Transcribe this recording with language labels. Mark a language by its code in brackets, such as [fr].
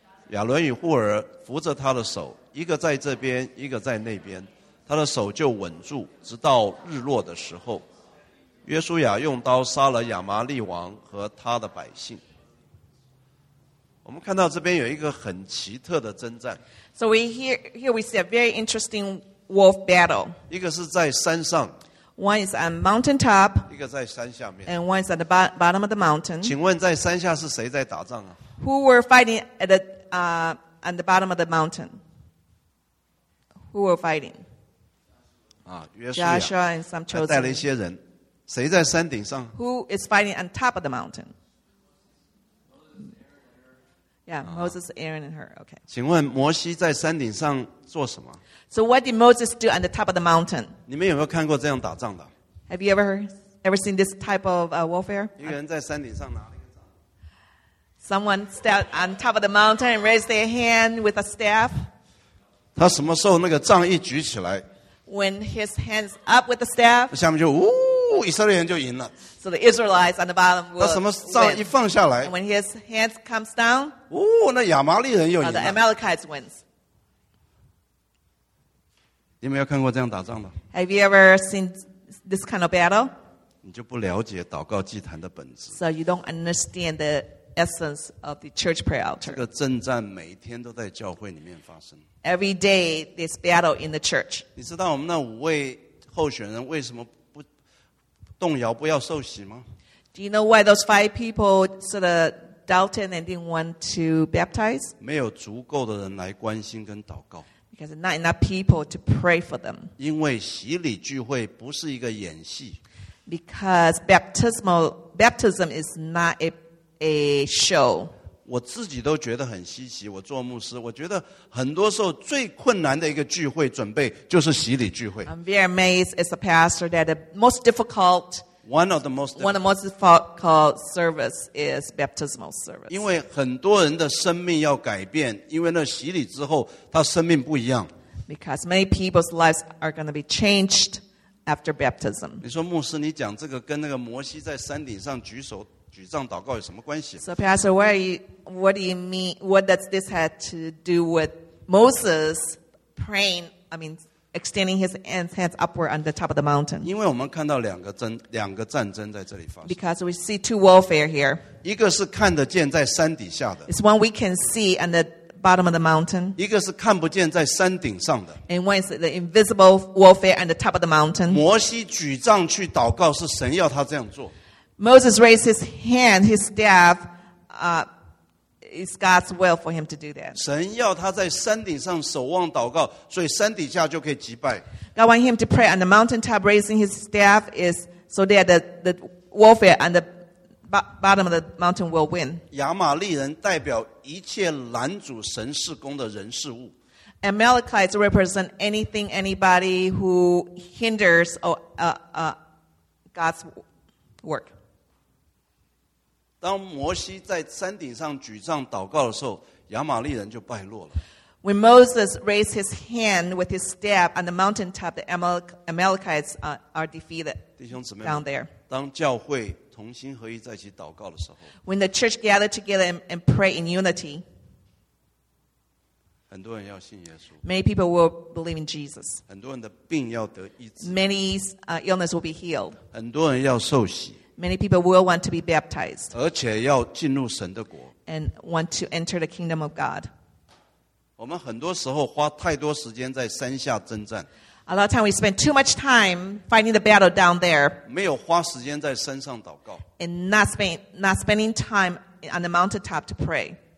[zh] 亚伦与户尔扶着他的手，一个在这边，一个在那边，他的手就稳住，直到日落的时候。约书亚用刀杀了亚麻利王和他的百姓。我们看到这边有一个很奇特的征战。 [en] So we here we see a very interesting wolf battle. [zh] 一个是在山上。 [en] One is on mountain top. [zh] 一个在山下面。 [en] And one is at the bottom of the mountain. [zh] 请问在山下是谁在打仗啊 [en] ？Who were fighting at the on the bottom of the mountain? Who were fighting? [zh] 啊，约书亚。 [en] Joshua and some chosen. [zh] 带了一些人。谁在山顶上 [en] ？Who is fighting on top of the mountain? Yeah, Moses, Aaron, and her. Okay. [zh] 请问摩西在山顶上做什么 [en] ？So what did Moses do on the top of the mountain? [zh] 你们有没有看过这样打仗的 [en] ？Have you ever seen this type of warfare? [zh] 一个人在山顶上拿了一个杖。 [en] Someone stepped on top of the mountain and raised their hand with a staff. [zh] 他什么时候那个杖一举起来 [en] ？When his hands up with the staff. [zh] 下面就呜。以色列人就赢了。 [en] So the Israelites on the bottom will win. [zh] 他什么杖一放下来 [en] ？When his hands comes down. [zh] 哦，那亚麻利人又赢了。 [en] The Amalekites wins. [zh] 你没有看过这样打仗吗 [en] ？Have you ever seen this kind of battle? [zh] 你就不了解祷告祭坛的本质。 [en] So you don't understand the essence of the church prayer altar. [zh] 这个征战每天都在教会里面发生。 [en] Every day this battle in the church. [zh] 你知道我们那五位候选人为什么？动摇不要受洗吗 [en] Do you know why those five people sort of doubted and didn't want to baptize? [zh] 没有足够的人来关心跟祷告。 [en] Because not enough people to pray for them. [zh] 因为洗礼聚会不是一个演戏。 [en] Because baptism is not a show. [zh] 我自己都觉得很稀奇，我做牧师，我觉得很多时候最困难的一个聚会准备就是洗礼聚会。 [en] I'm very amazed as a pastor that the most difficult One of the most difficult service is baptismal service. [zh] 因为很多人的生命要改变，因为那洗礼之后，他生命不一样。 [en] Because many people's lives are going to be changed after baptism. [zh] 你说牧师，你讲这个跟那个摩西在山顶上举手举杖祷告有什么关系 [en] ？So, Pastor, what do you mean? What does this have to do with Moses praying? I mean. Extending his hands upward on the top of the mountain. [zh] 因为我们看到两个战争在这里发生。 [en] Because we see two warfare here. [zh] 一个是看得见在山底下的。 [en] It's one we can see on the bottom of the mountain. [zh] 一个是看不见在山顶上的。 [en] And one is the invisible warfare on the top of the mountain. [zh] 摩西举杖去祷告是神要他这样做。 [en] Moses raised his hand, his staff, It's God's will for him to do that. [zh] 神要他在山顶上守望祷告，所以山底下就可以击败。 [en] God want him to pray on the mountaintop, raising his staff, is so that the warfare on the bottom of the mountain will win. [zh] 亚玛利人代表一切拦阻神事工的人事物。 [en] Amalekites represent anything, anybody who hinders God's work. [zh] 当摩西在山顶上举杖祷告的时候，亚玛利人就败落了。 [en] When Moses raised his hand with his staff on the mountaintop, the Amalekites are defeated. [zh] 弟兄姊妹 [en] down there. [zh] 当教会同心合一在一起祷告的时候 [en] ，When the church gathered together and pray in unity, [zh] 很多人要信耶稣。 [en] Many people will believe in Jesus. [zh] 很多人的病要得医治。 [en] Many illness will be healed. [zh] 很多人要受洗。 [en] Many people will want to be baptized. [zh] 而且要进入神的国。 [en] And want to enter the kingdom of God. [zh] 我们很多时候花太多时间在山下征战。 [en] A lot of time we spend too much time fighting the battle down there. [zh] 没有花时间在山上祷告。 [en] And not spending time on the mountaintop to pray.